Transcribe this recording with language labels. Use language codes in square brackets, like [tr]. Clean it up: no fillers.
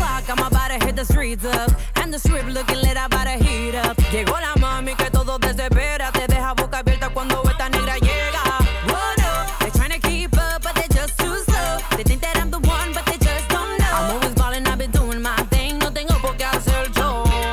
[en] I'm about to hit the streets up, and the strip looking lit, I'm about to heat up. [es] Llegó la mami que todo desespera, te deja boca abierta cuando esta negra llega. [en] What up? They're trying to keep up, but they're just too slow. They think that I'm the one, but they just don't know. I'm always balling, I've been doing my thing, [es] no tengo por qué hacer yo.